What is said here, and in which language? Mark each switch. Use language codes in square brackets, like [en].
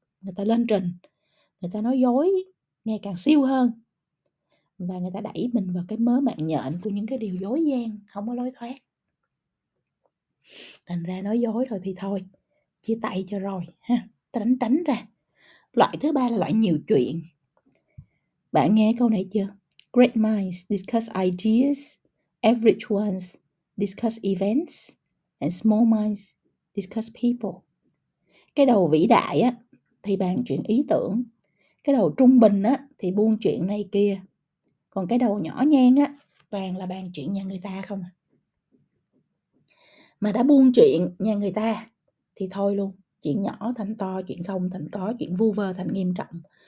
[vi] người ta lên trình, người ta nói dối ngày càng siêu hơn, và người ta đẩy mình vào cái mớ mạng nhện của những cái điều dối gian không có lối thoát. Thành ra nói dối rồi thì thôi, chia tay cho rồi ha, tránh tránh ra. Loại thứ ba là loại nhiều chuyện. Bạn nghe câu này chưa? [en] Great minds discuss ideas, average ones discuss events, and small minds discuss people. [vi] Cái đầu vĩ đại á thì bàn chuyện ý tưởng, cái đầu trung bình á thì buôn chuyện này kia, còn cái đầu nhỏ nhen á toàn là bàn chuyện nhà người ta không. Mà đã buôn chuyện nhà người ta thì thôi luôn, chuyện nhỏ thành to, chuyện không thành có, chuyện vu vơ thành nghiêm trọng.